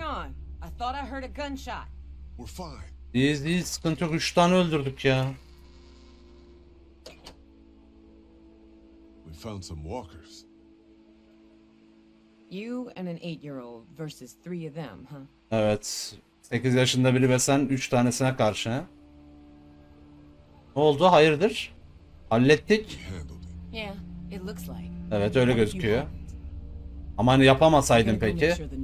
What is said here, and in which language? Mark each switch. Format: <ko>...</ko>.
<en>I thought I heard a gunshot. We're fine.</en> <tr>Biz sıkıntı yok. 3 tane öldürdük ya.</tr> <en>We found some walkers. You and an 8-year-old versus 3 of them, huh?</en> <tr>Evet. 8 yaşında biri ve sen 3 tanesine karşı. He? Ne oldu? Hayırdır? Hallettik.</tr> <en>Yeah, it looks like.</en> <tr>Evet öyle gözüküyor. Ama hani yapamasaydın peki?</tr>